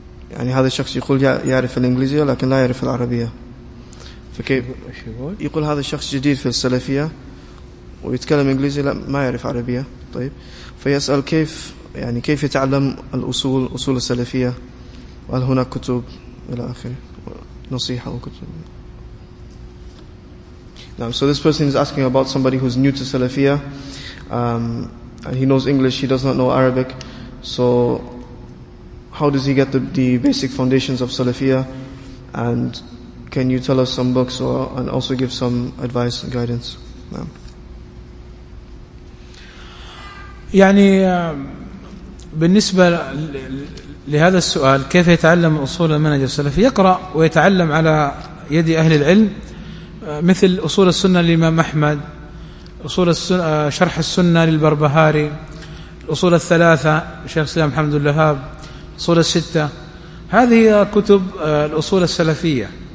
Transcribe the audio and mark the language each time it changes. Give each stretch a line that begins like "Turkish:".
Arabic: يعني هذا الشخص يقول يعرف الإنجليزية لكن لا يعرف العربية، فكيف يقول هذا الشخص جديد في السلفية ويتكلم إنجليزي لا ما يعرف عربية. طيب فيسأل كيف يعني كيف يتعلم الأصول، أصول السلفية، وهل هناك كتب إلى آخره، نصيحة وكتب.
English: Now, so this person is asking about somebody who's new to Salafiyah, and he knows English, he does not know Arabic. So how does he get the basic foundations of Salafiyah, and can you tell us some books or and also give some advice and guidance?
Arabic: يعني بالنسبة لهذا السؤال كيف يتعلم أصول المنهج السلفي، يقرأ ويتعلم على يد أهل العلم، مثل أصول السنة للإمام أحمد، أصول السنة شرح السنة للبربهاري، الأصول الثلاثة شيخ الإسلام محمد اللهاب، أصول الستة، هذه كتب الأصول السلفية.